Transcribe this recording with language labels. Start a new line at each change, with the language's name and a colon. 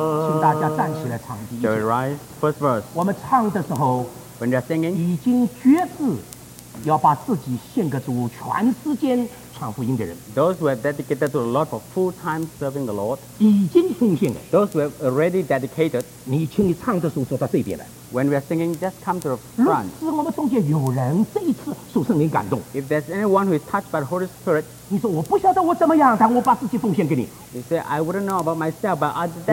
Chinese: 请大家站起来唱第一句。
English: Shall we rise? First verse.
Chinese: 我们唱的时候
English: ，When they're singing，
Chinese: 已经决志要把自己献给主，全时间传福音的人。
English: Those who have dedicated to the Lord for full time serving the Lord，
Chinese: 已经奉献了。
English: Those who have already dedicated，
Chinese: 你请你唱的时候坐到这边来。
English: When we are singing, just come to the front。
Chinese: 若是我们中间有人这一次受圣灵感动
English: ，If there's anyone who is touched by the Holy Spirit，
Chinese: 你说我不晓得我怎么样，但我把自己奉献给你。
English: You say I wouldn't know about myself, but I dedicate myself